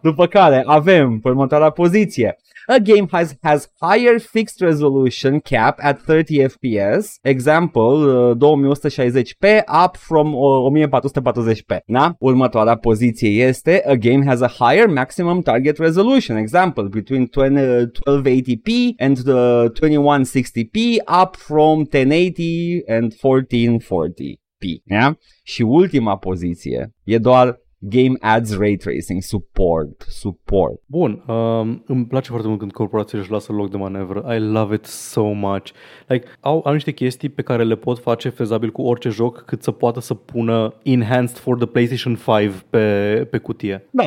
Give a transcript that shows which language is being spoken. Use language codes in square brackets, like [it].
[ro] După care avem următoarea poziție. [en] A game has higher fixed resolution cap at 30fps. Example, 2160p up from 1440p. Na? [ro] Următoarea poziție este [en] a game has a higher maximum target resolution. Example, between 1280p and 2160p up from 1080 and 1440p. Yeah? [ro] Și ultima poziție e doar [en] game adds ray tracing support. [ro] Bun, îmi place foarte mult când corporațiile își lasă loc de manevră. [en] I love it so much. [ro] Like, au niște chestii pe care le pot face fezabil cu orice joc, cât să poată să pună enhanced for the PlayStation 5 pe cutie.